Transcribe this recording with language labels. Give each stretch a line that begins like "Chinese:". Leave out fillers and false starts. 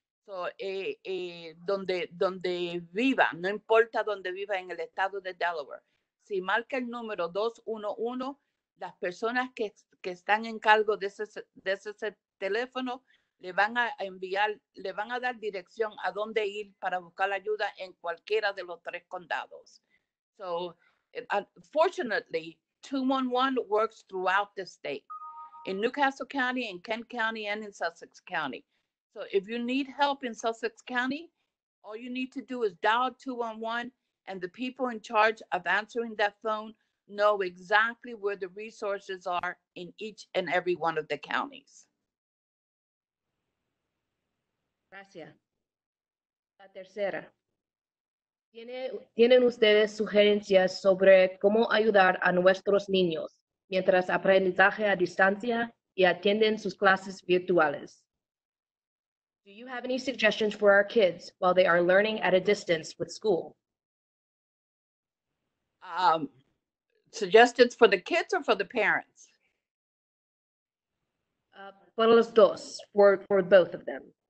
Spanish: So, donde viva, no importa donde viva en el estado de Delaware, si marca el número 211, las personas que están en cargo de ese teléfono le van a enviar, le van a dar dirección a dónde ir para buscar ayuda en cualquiera de los tres condados.
English: So, unfortunately, 211 works throughout the state, in Newcastle County, in Kent County, and in Sussex County. So if you need help in Sussex County, all you need to do is dial 211, and the people in charge of answering that phone know exactly where the resources are in each and every one of the counties.
Spanish: Gracias. La tercera. ¿Tienen ustedes sugerencias sobre cómo ayudar a nuestros niños mientras aprendizaje a distancia y atienden sus clases virtuales?
English: Do you have any suggestions for our kids while they are learning at a distance with school? Suggestions for the kids or for the parents?
Spanish: Para los dos,
English: for both of them.